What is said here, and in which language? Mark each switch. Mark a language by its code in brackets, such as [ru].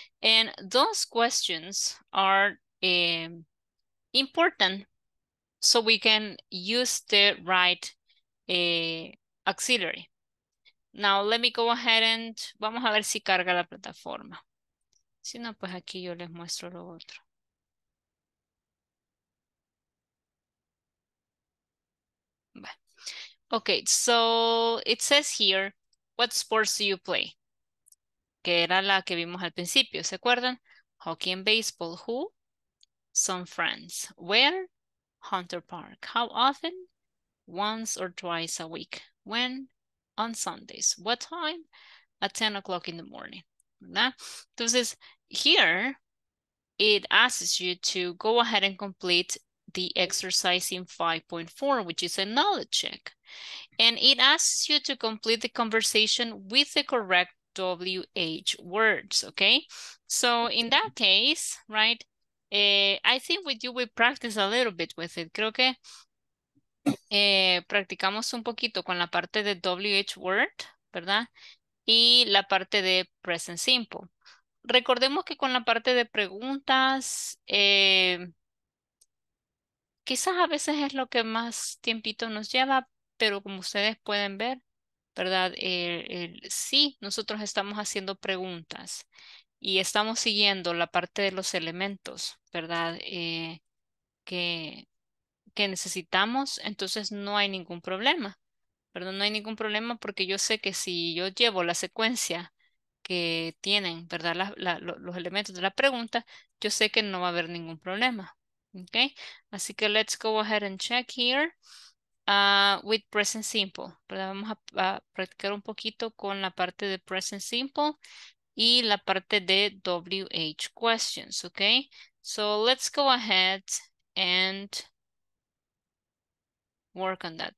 [en] And those questions are important so we can use the right auxiliary. Now, let me go ahead and [es] vamos a ver si carga la plataforma. Si no, pues aquí yo les muestro lo otro. [en] Okay, so it says here, what sports do you play? [es] Que era la que vimos al principio, ¿se acuerdan? [en] Hockey and baseball, who? Some friends. Where? Hunter Park. How often? Once or twice a week. When? On Sundays. What time? At 10 o'clock in the morning. [es] ¿Verdad? Entonces, [en] here, it asks you to go ahead and complete the exercise in 5.4, which is a knowledge check. And it asks you to complete the conversation with the correct WH words, okay? So in that case, right, I think with you we practice a little bit with it. [es] Creo que practicamos un poquito con la parte de WH word, ¿verdad? Y la parte de present simple. recordemos que con la parte de preguntas, quizás a veces es lo que más tiempito nos lleva, pero como ustedes pueden ver, ¿verdad? Sí, nosotros estamos haciendo preguntas y estamos siguiendo la parte de los elementos, ¿verdad? Que necesitamos, entonces no hay ningún problema, ¿verdad? No hay ningún problema porque yo sé que si yo llevo la secuencia que tienen, ¿verdad? Los elementos de la pregunta, yo sé que no va a haber ningún problema, ¿ok? Así que [en] let's go ahead and check here. With present simple, [es] ¿verdad? Vamos a practicar un poquito con la parte de present simple y la parte de WH questions, ¿ok? [en] So let's go ahead and work on that.